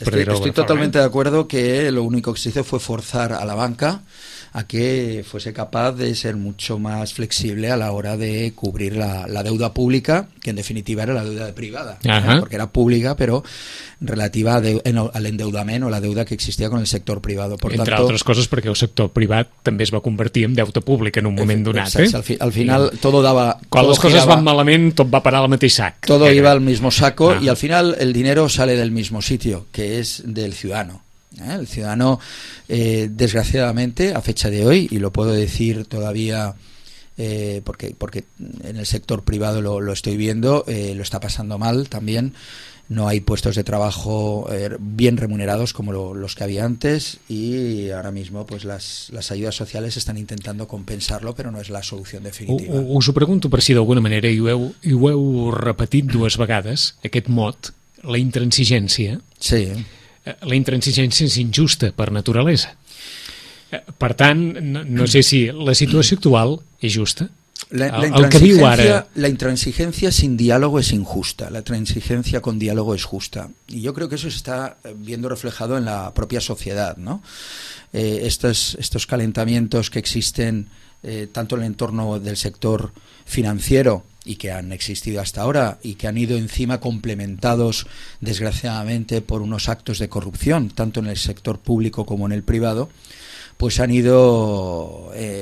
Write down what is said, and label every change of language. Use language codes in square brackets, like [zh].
[es] Estoy totalmente de acuerdo que lo único que se hizo fue forzar a la banca a que fuese capaz de ser mucho más flexible a la hora de cubrir la deuda pública, que en definitiva era la deuda privada, porque era pública, pero relativa al endeudament o la deuda que existia con el sector privado. Por entre tanto, [ca] altres coses, perquè el sector privat també es va convertir en deute públic en un moment donat. Exacte, [es] al final todo dava... [ca] Quan les coses van malament, tot va parar al mateix sac. [es] Todo iba al mismo saco, y al final el dinero sale del mismo sitio, que es del ciudadano. El ciudadano, desgraciadamente, a fecha de hoy, y lo puedo decir todavía porque en el sector privado lo estoy viendo, lo está pasando mal también. No hay puestos de trabajo bien remunerados como los que había antes, y ahora mismo pues las ayudas sociales están intentando compensarlo, pero no es la solución definitiva. [ca] Us ho pregunto per si d'alguna manera, i ho heu repetit dues vegades, aquest mot, la intransigència. Sí. La intransigència és injusta per naturalesa. Per tant, no sé si la situació actual és justa. [es] La intransigencia, sin diálogo es injusta. La transigencia con diálogo es justa. Y yo creo que eso se está viendo reflejado en la propia sociedad, ¿no? Estos calentamientos que existen tanto en el entorno del sector financiero, y que han existido hasta ahora, y que han ido encima complementados, desgraciadamente, por unos actos de corrupción, tanto en el sector público como en el privado, pues han ido